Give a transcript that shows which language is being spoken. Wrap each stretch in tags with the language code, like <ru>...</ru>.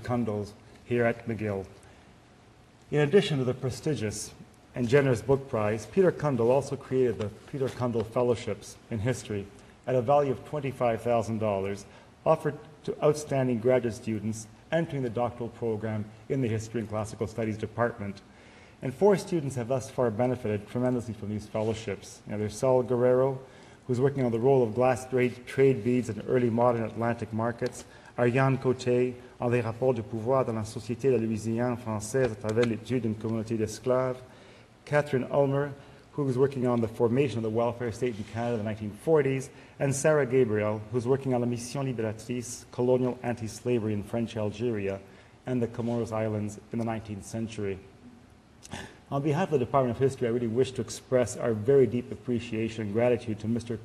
<en>Cundill's here at McGill. In addition to the prestigious and generous book prize, Peter Cundill also created the Peter Cundill Fellowships in History at a value of $25,000 offered to outstanding graduate students entering the doctoral program in the History and Classical Studies Department. And four students have thus far benefited tremendously from these fellowships. You know, there's Saul Guerrero, who's working on the role of glass trade beads in early modern Atlantic markets.</en> <fr>Ariane Côté, en les rapports de pouvoir dans la société de la Louisiane française à travers l'étude d'une communauté d'esclaves.</fr> <en>Catherine Ulmer, who was working on the formation of the welfare state in Canada in the 1940s. And Sarah Gabriel, who's working on La Mission Libératrice, colonial anti-slavery in French Algeria and the Comoros Islands in the 19th century. On behalf of the Department of History, I really wish to express our very deep appreciation and gratitude to Mr.</en>